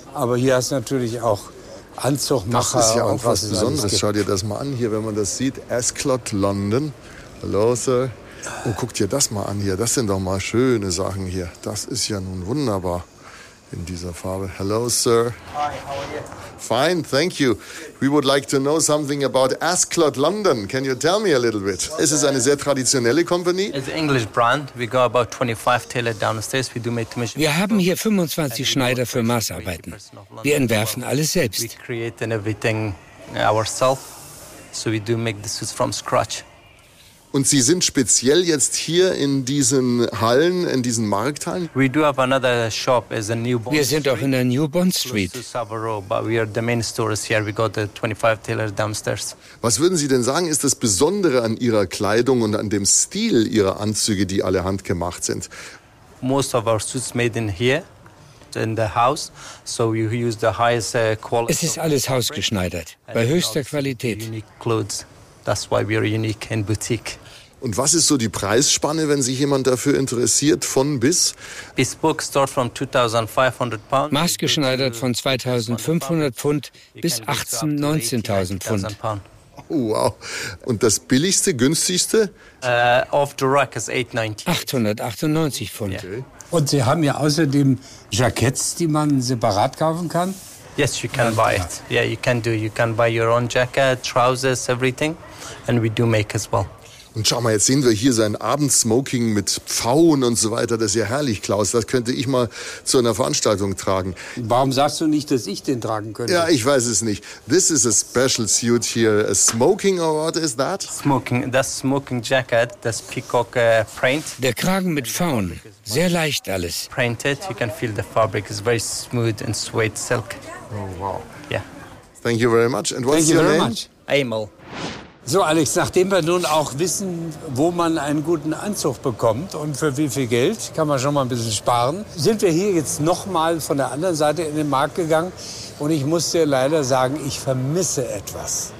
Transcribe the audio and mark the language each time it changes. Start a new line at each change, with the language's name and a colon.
German: Aber hier hast du natürlich auch Anzugmacher. Das ist ja auch was Besonderes. Schau dir das mal an hier, wenn man das sieht. Ascot, London. Hallo, Sir. Oh, guck dir das mal an hier. Das sind doch mal schöne Sachen hier. Das ist ja nun wunderbar in dieser Farbe.
English: Hello, Sir. Hi, how are you? Fine, thank you. We would like to know something about Ascot, London. Can you tell me a little bit?
German: Es ist eine sehr traditionelle Company.
English: It's an English brand. We go about 25 tailors downstairs. We do make commission.
German: Wir haben hier 25 Schneider für Maßarbeiten. Wir entwerfen alles selbst.
English: We create everything ourselves. So we do make the suits from scratch.
German: Und Sie sind speziell jetzt hier in diesen Hallen, in diesen Markthallen?
English: We do have another shop as a New Bond.
German: Wir sind auch in der New Bond Street.
English: Close to Savaro, but we are the main stores here. We got the 25 tailors downstairs.
German: Was würden Sie denn sagen, ist das Besondere an Ihrer Kleidung und an dem Stil Ihrer Anzüge, die alle handgemacht sind?
English: Most of our suits made in here. In the house, so you use the highest quality.
German: Es ist alles hausgeschneidert, bei höchster Qualität.
English: Unique clothes. That's why we are unique in boutique.
German: Und was ist so die Preisspanne, wenn sich jemand dafür interessiert, von bis?
English: Bespoke start from 2500 pounds.
German: Maßgeschneidert von 2500 Pfund bis 18.000, 19.000 Pfund. Wow. Und das billigste, günstigste?
English: Off the rack is 890.
German: 898 Pfund. Yeah. Und Sie haben ja außerdem Jackets, die man separat kaufen kann?
English: Yes, you can buy it. Yeah, you can do. You can buy your own jacket, trousers, everything. And we do make as well.
German: Und schau mal, jetzt sehen wir hier sein Abendsmoking mit Pfauen und so weiter. Das ist ja herrlich, Klaus. Das könnte ich mal zu einer Veranstaltung tragen. Warum sagst du nicht, dass ich den tragen könnte? Ja, ich weiß es nicht.
English: This is a special suit here. A smoking or what is that?
German: Smoking. Das
English: smoking jacket,
German: das
English: peacock print.
German: Der Kragen mit Pfauen. Sehr leicht alles.
English: Printed. You can feel the fabric is very smooth and suede silk. Oh, wow. Yeah. Thank you very much. And what's your name? Emil.
German: So, Alex, nachdem wir nun auch wissen, wo man einen guten Anzug bekommt und für wie viel Geld, kann man schon mal ein bisschen sparen, sind wir hier jetzt noch mal von der anderen Seite in den Markt gegangen. Und ich muss dir leider sagen, ich vermisse etwas.